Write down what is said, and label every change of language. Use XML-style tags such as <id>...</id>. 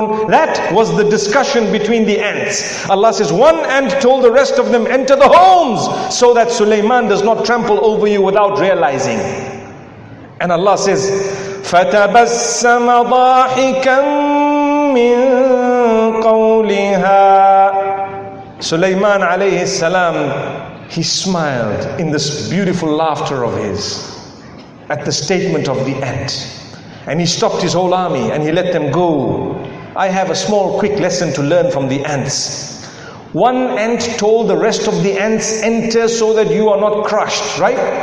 <en>That was the discussion between the ants. Allah says, one ant told the rest of them, enter the homes so that Sulaiman does not trample over you without realizing. And Allah says,</en> <ar>فتبسم ضاحكا من قولها.</ar> <en>Sulaiman عليه السلام, he smiled in this beautiful laughter of his at the statement of the ant. And he stopped his whole army and he let them go. I have a small quick lesson to learn from the ants. One ant told the rest of the ants, enter so that you are not crushed, right?</en>